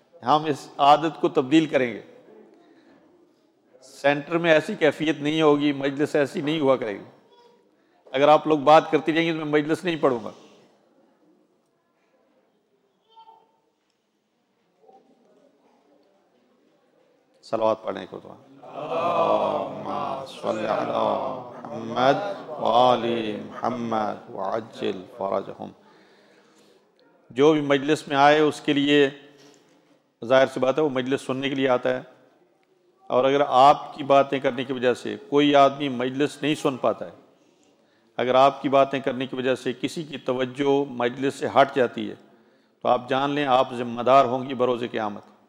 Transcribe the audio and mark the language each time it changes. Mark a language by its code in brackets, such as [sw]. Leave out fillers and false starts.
[ur] ہم اس عادت کو تبدیل کریں گے۔ سینٹر میں ایسی کیفیت نہیں ہوگی، مجلس ایسی نہیں ہوا کرے گی، اگر آپ لوگ بات کرتی جائیں گے تو میں مجلس نہیں پڑھوں گا۔ صلوات پڑھنے کو دعا، [ar] اللهم صل على محمد وآل محمد وعجل فرجهم۔ [ur] جو بھی مجلس میں آئے اس کے لیے ظاہر سی بات ہے وہ مجلس سننے کے لیے آتا ہے، اور اگر آپ کی باتیں کرنے کی وجہ سے کوئی آدمی مجلس نہیں سن پاتا ہے، اگر آپ کی باتیں کرنے کی وجہ سے کسی کی توجہ مجلس سے ہٹ جاتی ہے، تو آپ جان لیں آپ ذمہ دار ہوں گی بروز قیامت۔